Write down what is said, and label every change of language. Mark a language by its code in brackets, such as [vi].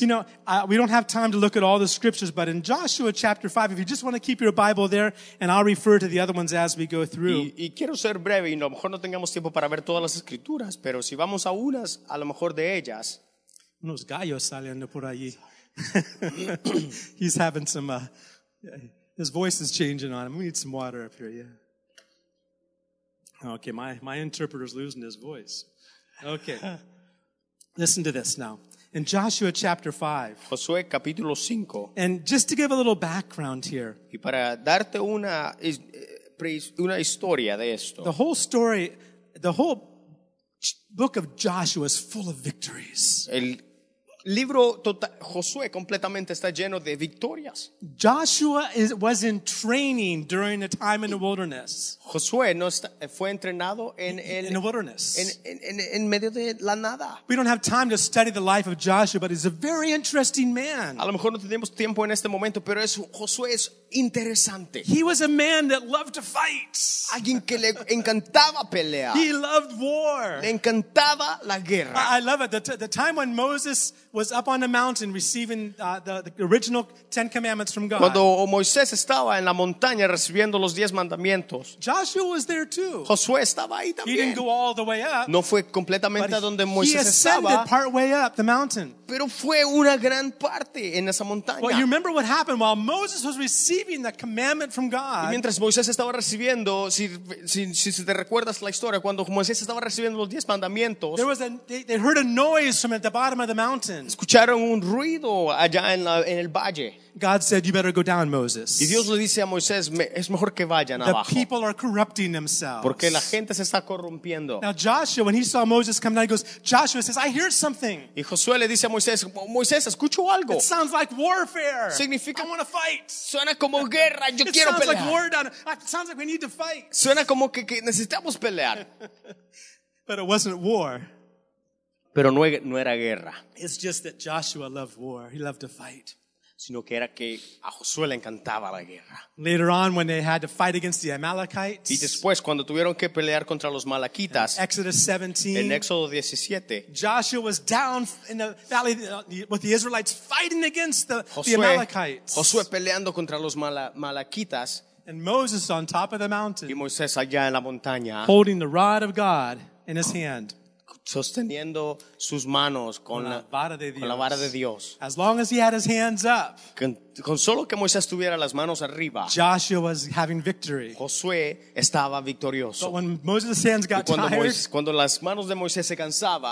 [en] You know, we don't have time to look at all the scriptures, but in Joshua chapter 5, if you just want to keep your Bible there, and I'll refer to the other ones as we go through. [es] Y quiero ser breve, y a lo mejor no tengamos tiempo para ver todas las escrituras, pero si vamos a unas, a lo mejor de ellas. Unos gallos saliendo por allí. [en] He's having some his voice is changing on him. We need some water up here. Yeah. Okay, my interpreter's losing his voice. Okay. Listen to this now. In Joshua chapter 5. [es] Josué capítulo 5. [en] And just to give a little background here. [es] Y para darte una historia de esto. [en] The whole story, the whole book of Joshua is full of victories. [es] El libro total, Josué completamente está lleno de victorias. [en] Joshua was in training during a time in the wilderness. [es] Josué no está, fue entrenado [en] in the wilderness. [es] En medio de la nada. [en] We don't have time to study the life of Joshua, but he's a very interesting man. [es] A lo mejor no tenemos tiempo en este momento, pero Josué es interesante. [en] He was a man that loved to fight. [es] Alguien que le encantaba pelear. [en] He loved war. [es] Le encantaba la guerra. [en] I love it. The time when Moses was up on the mountain receiving the original Ten Commandments from God. [es] Cuando Moisés estaba en la montaña recibiendo los 10 mandamientos. [en] Joshua was there too. [es] Josué estaba ahí también. [en] He didn't go all the way up. [es] No fue completamente a donde Moisés estaba. [en] He ascended part way up the mountain. [es] Pero fue una gran parte en esa montaña. [en] Well, you remember what happened while Moses was receiving the commandment from God. [es] Y mientras Moisés estaba recibiendo, si te recuerdas la historia, cuando Moisés estaba recibiendo los 10 mandamientos. [en] There was they heard a noise from at the bottom of the mountain. [es] Escucharon un ruido allá en el valle. [en] God said, "You better go down, Moses." [es] Y Dios le dice a Moisés, es mejor que vayan [en] the [es] abajo. [en] The people are corrupting themselves. [es] Porque la gente se está corrompiendo. [en] Now Joshua, when he saw Moses coming down, he goes, Joshua says, "I hear something." [es] Y Josué le dice a Moisés, Moisés, escucho algo. [en] It sounds like warfare. [es] Significa, [en] I want to fight. [es] Suena como guerra. Yo [en] it [es] quiero [en] sounds [es] pelear. [en] Like war down. It sounds like we need to fight. [es] Suena como que necesitamos pelear. [en] But it wasn't war. [es] Pero no era guerra. [en] It's just that Joshua loved war. He loved to fight. [es] Sino que era que a Josué le encantaba la guerra. [en] Later on, when they had to fight against the Amalekites. [es] Y después, cuando tuvieron que pelear contra los Malaquitas. [en] Exodus 17. [es] En Éxodo 17. [en] Joshua was down in the valley with the Israelites fighting against the Amalekites. [es] Josué peleando contra los Malaquitas. [en] And Moses on top of the mountain. [es] Y Moisés allá en la montaña. [en] Holding the rod of God in his hand. [es] Sosteniendo sus manos con la vara de Dios. [en] As long as he had his hands up, [es] con solo que Moisés tuviera las manos arriba, [en] Joshua was having victory. [es] Josué estaba victorioso. [en] But when Moses' hands got [es] cuando [en] tired, [es] cuando las manos de Moisés se cansaban,